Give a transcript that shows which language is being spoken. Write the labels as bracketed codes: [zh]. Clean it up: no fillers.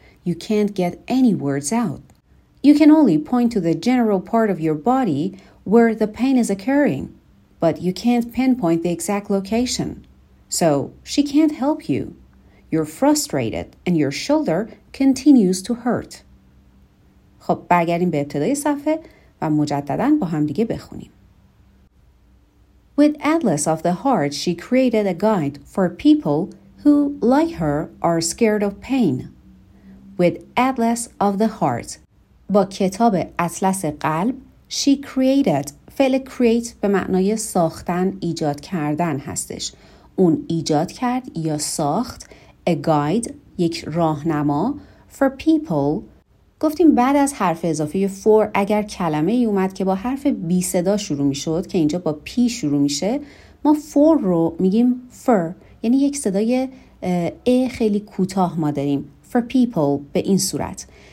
[en] You can't get any words out. You can only point to the general part of your body where the pain is occurring, but you can't pinpoint the exact location. So she can't help you. You're frustrated and your shoulder continues to hurt. [fa] خب برگردیم به ابتدای صفحه و مجدداً با هم دیگه بخونیم. [en] With Atlas of the Heart, she created a guide for people who, like her, are scared of pain. With Atlas of the Heart. [fa] با کتاب اطلس قلب, [en] she created, [fa] فعل create به معنای ساختن, ایجاد کردن هستش. اون ایجاد کرد یا ساخت, [en] a guide, [fa] یک راهنما, [en] for people, [fa] گفتیم بعد از حرف اضافه for اگر کلمه ای اومد که با حرف بی صدا شروع می شد که اینجا با P شروع می شه, ما for رو میگیم for, یعنی یک صدای ا خیلی کوتاه ما داریم, for people به این صورت.